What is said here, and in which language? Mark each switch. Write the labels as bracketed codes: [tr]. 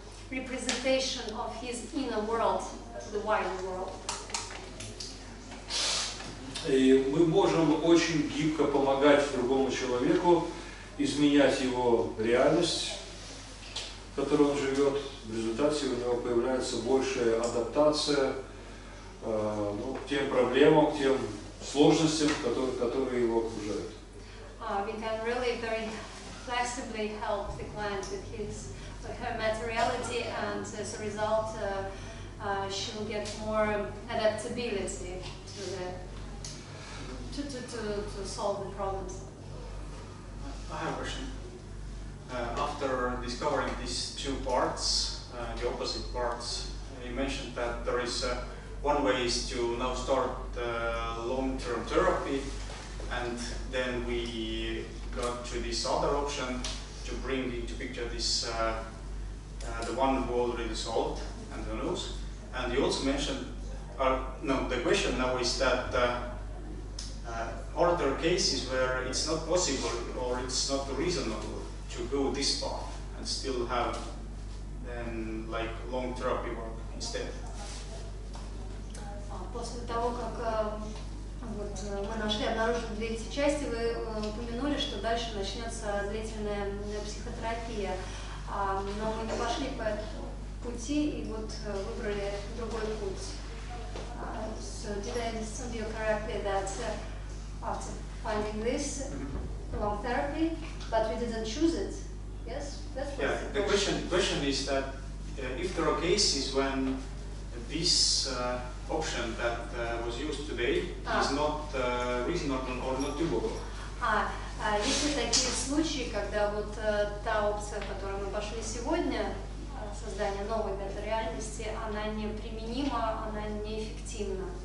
[en] Representation of his inner world, the wide world. [ru] И мы можем очень гибко помогать другому человеку изменять его реальность, в которой он живет. В результате у него появляется большая адаптация к тем проблемам, к тем сложностям, которые его окружают. [en] We can really very flexibly help the client with his her materiality, and as a result she will get more adaptability to solve the problems. I have a question. After discovering these two parts, the opposite parts, you mentioned that there is one way is to now start long-term therapy, and then we got to this other option to bring into picture this the one who already solved and who knows. And you also mentioned, the question now is that are there cases where it's not possible or it's not reasonable to go this path and still have then like long therapy work instead? [ru] После того, как вот мы нашли, обнаружили две эти части, вы упомянули, что дальше начнется длительная психотерапия. Но мы не пошли по этому пути и вот выбрали другой путь. [en] So did I understand you correctly that after finding this long therapy, but we didn't choose it? Yes, that's what. Yeah, the question is that if there are cases when this option that was used today is not reasonable or not doable. [ru] Есть ли такие случаи, когда вот та опция, которую мы пошли сегодня, создание новой метареальности, она неприменима, она неэффективна?